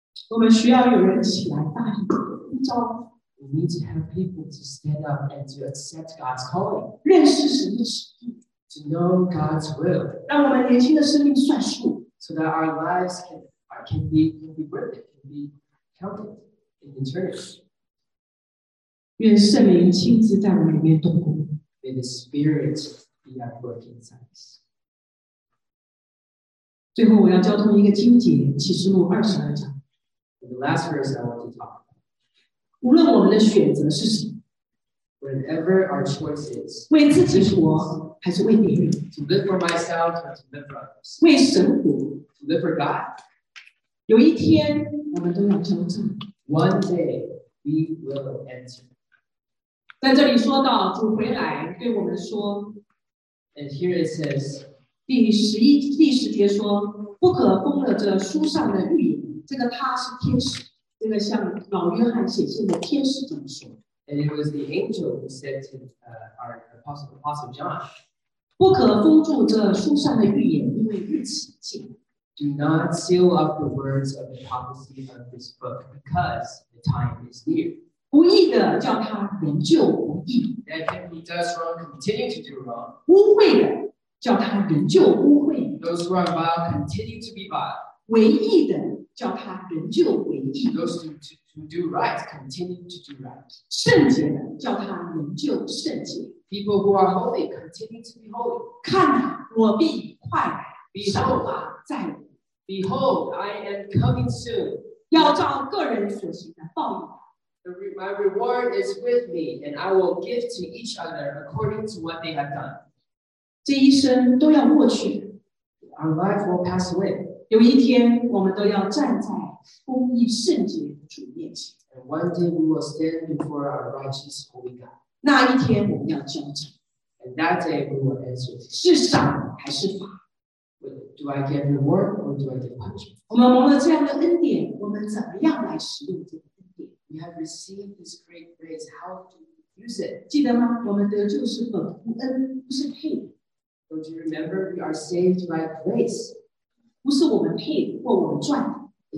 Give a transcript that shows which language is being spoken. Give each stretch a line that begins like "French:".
Chinese: 我们需要有人起来大声呼召。
English: We need to have people to stand up and to accept God's calling.
Chinese: 认识神的使命。
English: To know God's will.
Chinese: 让我们年轻的生命算数。
English: So that our lives can be worth it, can be counted in eternity.
Chinese: 愿圣灵亲自在我里面动工。
English: May the Spirit be at work inside us.
Chinese: 最后我要交通一个经节，启示录22章。
English: In the last verse I want to talk about.
Chinese: 无论我们的选择是什么。
English: Whatever our choice is.
Chinese: 为自己活。还是为别人
English: ？To live for myself, or to live for others.
Chinese: 为神活
English: ，to live for God.
Chinese: 有一天，我们都要交账。
English: One day we will answer.
Chinese: 在这里说到主回来对我们说
English: ，And here it says,
Chinese: 第十节说，不可攻了这书上的预言，这个他是天使，这个像老约翰写信的天使怎么说
English: ？And it was the angel who said to our apostle John.
Chinese: 不可封住这书上的预言，因为日期近。
English: Do not seal up the words of the prophecy of this book, because the time is near.
Chinese: 不义的叫他仍旧不义。
English: And if he does wrong, continue to do wrong.
Chinese: 污秽的叫他仍旧污秽。
English: Those who are vile, continue to be vile.
Chinese: 为义的叫他仍旧为义。
English: Those who do right, continue to do right.
Chinese: 圣洁的叫他仍旧圣洁。
English: People who are holy continue to be holy.
Chinese: 看啊，我必快来。
English: Behold,
Chinese: 啊，在我。
English: Behold, I am coming soon.
Chinese: 要照个人所行的报应。
English: My reward is with me, and I will give to each other according to what they have done.
Chinese: 这一生都要过去。
English: Our life will pass away.
Chinese: 有一天，我们都要站在公义圣洁的主面前。
English: And one day we will stand before our righteous holy God.
Chinese: 那一天我们要交账。
English: And that day we will answer.
Chinese: 是赏还是罚
English: ？Do I get reward or do I get punishment?
Chinese: 我们蒙了这样的恩典，我们怎么样来使用这个恩典
English: ？We have received this great grace. How do we use it?
Chinese: 记得吗？我们得救是本乎恩，不是配的。
English: Don't you remember we are saved by grace?
Chinese: 不是我们配的或我们赚的。